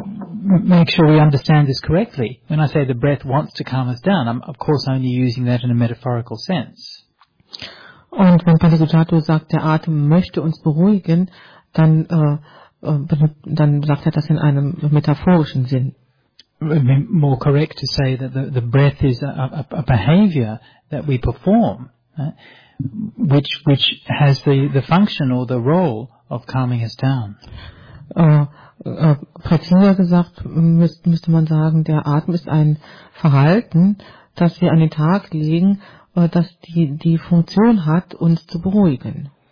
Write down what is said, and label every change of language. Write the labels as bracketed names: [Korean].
[English] Make sure we understand this correctly. When I say the breath wants to calm us down, I'm of course only using that in a metaphorical sense. [German] Und wenn Padigutato sagt, der Atem möchte uns beruhigen, dann sagt er das in einem metaphorischen Sinn. [English] More correct to say that the breath is a behavior that we perform, which has the function or the role of calming us down. [German] Präziser gesagt, müsste man sagen, der Atem ist ein Verhalten, das wir an den Tag legen, das die Funktion hat, uns zu beruhigen.